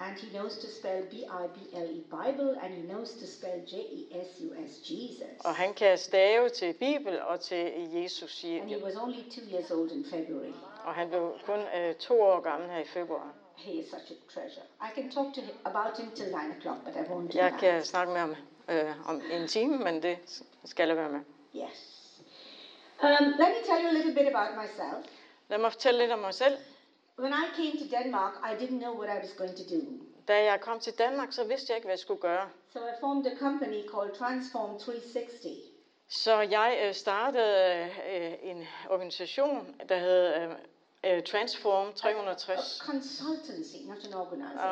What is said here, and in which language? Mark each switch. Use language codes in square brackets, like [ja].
[en] And he knows to spell B-I-B-L-E, Bible, and he knows to spell J-E-S-U-S, Jesus. [da] Og han kan stave til Bibel og til Jesus. [en] And he was only 2 years old in February. [da] Og han blev kun 2 år gammel her i februar. [en] He is such a treasure. I can talk to him about him till 9 o'clock, but I won't do [da] jeg [en] that. [da] Kan snakke med ham om en time, men det skal jeg være med. [en] Yes. Let me tell you a little bit about myself. [da] Lad mig fortælle lidt om mig selv. [en] When I came to Denmark, I didn't know what I was going to do. [da] Da jeg kom til Danmark, så vidste jeg ikke, hvad jeg skulle gøre. [en] So I formed a company called Transform 360. [da] Så jeg startede en organisation, der hed Transform 360. [en] A consultancy, not an organization.